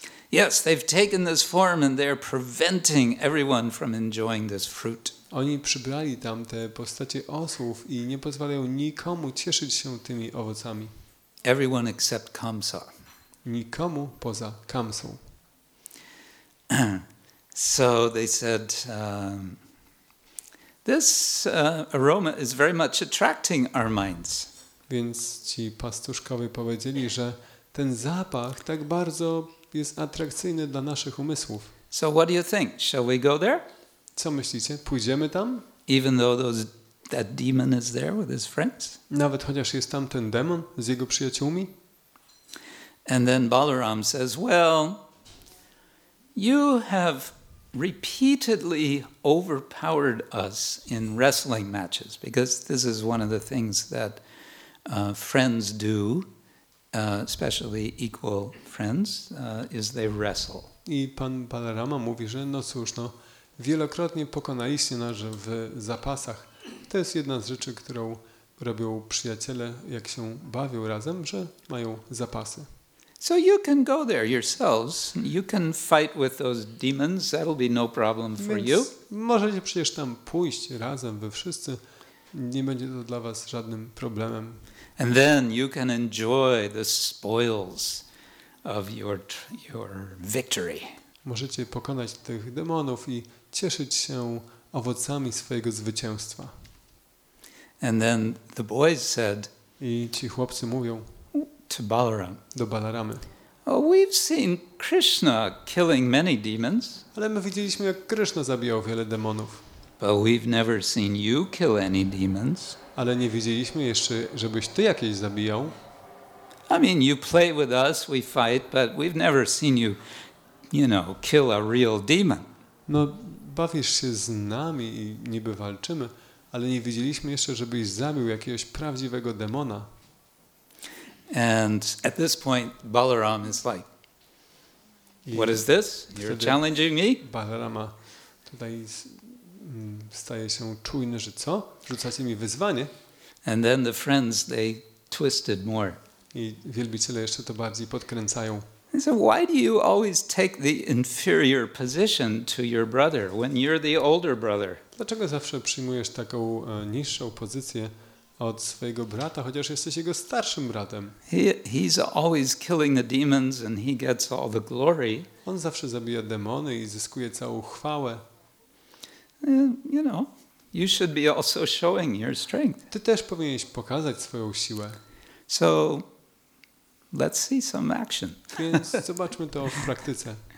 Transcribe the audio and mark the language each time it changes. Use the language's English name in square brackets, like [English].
[English] Yes, they've taken this form and they're preventing everyone from enjoying this fruit. [Polish] Oni przybrali tam te postacie osłów i nie pozwalają nikomu cieszyć się tymi owocami. [English] Everyone except Kamsa. [Polish] Nikomu poza Kamsą. [English] So they said, this aroma is very much attracting our minds. [Polish] Więc ci pastuszkowie powiedzieli, że ten zapach tak bardzo jest atrakcyjny dla naszych umysłów. [English] So what do you think? Shall we go there? [Polish] Co myślicie? Pójdziemy tam? [English] Even though that demon is there with his friends? [Polish] Nawet chociaż jest tam ten demon z jego przyjaciółmi? [English] And then Balaram says, well, you have repeatedly overpowered us in wrestling matches, because this is one of the things that friends do, especially equal friends, is they wrestle. [Polish] I pan Balarama mówi, że no cóż, no, wielokrotnie pokonaliście nas w zapasach. To jest jedna z rzeczy, którą robią przyjaciele, jak się bawią razem, że mają zapasy. [English] So you can go there yourselves. You can fight with those demons. That'll be no problem for you. [Polish] Możecie przecież tam pójść razem wy wszyscy. Nie będzie to dla was żadnym problemem. [English] And then you can enjoy the spoils of your victory. [Polish] Możecie pokonać tych demonów i cieszyć się owocami swojego zwycięstwa. [English] And then the boys said, [Polish] i ci chłopcy mówią [English] to Balaram, [Polish] do Balaramy, [English] Oh, we've seen Krishna killing many demons. [Polish] Ale my widzieliśmy, jak Krishna zabijał wiele demonów. [English] But we've never seen you kill any demons. [Polish] Ale nie widzieliśmy jeszcze, żebyś ty jakieś zabijał. [English] I mean, you play with us, we fight, but we've never seen you, you know, kill a real demon. [Polish] No, bawisz się z nami i niby walczymy, ale nie widzieliśmy jeszcze, żebyś zabił jakiegoś prawdziwego demona. [English] And at this point, Balaram is like, what is this? You're challenging me? [Polish] Balarama tutaj staje się czujny, że co? Rzucacie mi wyzwanie? [English] And then the friends, they twisted more. [Polish] I wielbiciele jeszcze to bardziej podkręcają. [English] So why do you always take the inferior position to your brother when you're the older brother? [Polish] Dlaczego zawsze przyjmujesz taką niższą pozycję od swojego brata, chociaż jesteś jego starszym bratem? [English] He's always killing the demons and he gets all the glory. [Polish] On zawsze zabija demony i zyskuje całą chwałę. [English] You know, you should be also showing your strength. [Polish] Ty też powinieneś pokazać swoją siłę. [English] So let's see some action. [Polish] Więc zobaczmy to w praktyce.